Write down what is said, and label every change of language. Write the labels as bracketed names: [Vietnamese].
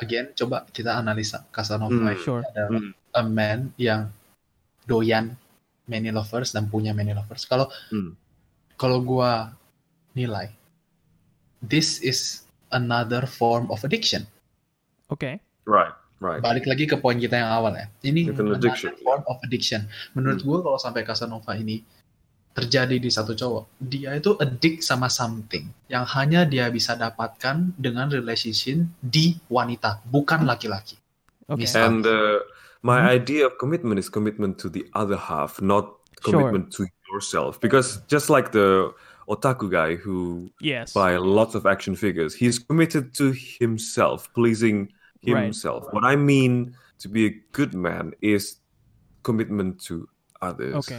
[Indonesian] Again, coba kita analisa Casanova. [English] A man [Indonesian] yang doyan [English] many lovers [Indonesian] dan punya many lovers. Kalau kalau gua nilai, [English] this is another form of addiction. Okay. Right, right. [Indonesian] Balik lagi ke poin kita yang awal ya. Ini [English] another form of addiction. [Indonesian] Menurut gua kalau sampai Casanova ini terjadi di satu cowok, dia itu addict sama something yang hanya dia bisa dapatkan dengan relationship di wanita, bukan laki-laki. [English] Okay. And my idea of commitment is commitment to the other half, not commitment to yourself. Because just like the otaku guy who buy lots of action figures, he's committed to himself, pleasing himself. Right. What I mean to be a good man is commitment to others.